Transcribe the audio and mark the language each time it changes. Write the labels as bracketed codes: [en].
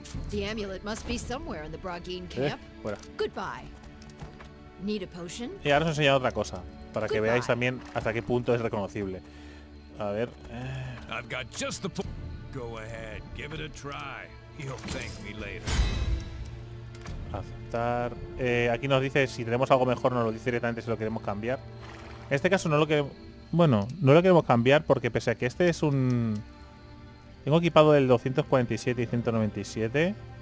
[en] The amulet must be somewhere in the Brogdon camp. Goodbye. Need a potion? [es] Y ahora os he enseñado otra cosa para que veáis también hasta qué punto es reconocible. A ver. [en] I've got just the Go ahead, give it a try. You'll thank me later. Aceptar. [es] Aquí nos dice si tenemos algo mejor, nos lo dice directamente si lo queremos cambiar. En este caso no lo queremos. Bueno, no lo queremos cambiar porque pese a que este es un Tengo equipado el 247 y 197.